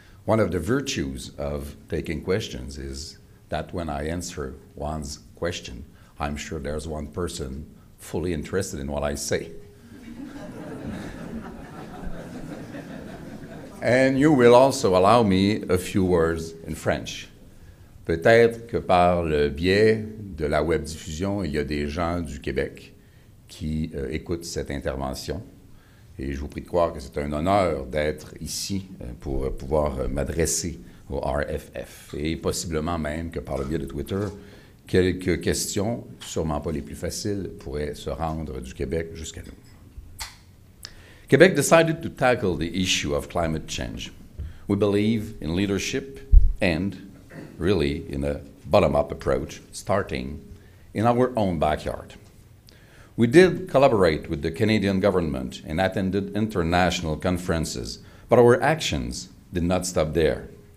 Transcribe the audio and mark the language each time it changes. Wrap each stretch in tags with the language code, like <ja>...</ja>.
<en>One of the virtues of taking questions is that when I answer one's question, I'm sure there's one person fully interested in what I say. And you will also allow me a few words in French.</en> <fr>Peut-être que par le biais de la web diffusion, il y a des gens du Québec qui écoutent cette intervention. Et je vous prie de croire que c'est un honneur d'être ici pour pouvoir m'adresser au RFF. Et possiblement même que par le biais de Twitter, quelques questions, sûrement pas les plus faciles, pourraient se rendre du Québec jusqu'à nous.</fr> <en>Quebec decided to tackle the issue of climate change. We believe in leadership and, really, in a bottom-up approach, starting in our own backyard. We did collaborate with the Canadian government and attended international conferences, but our actions did not stop there.</en>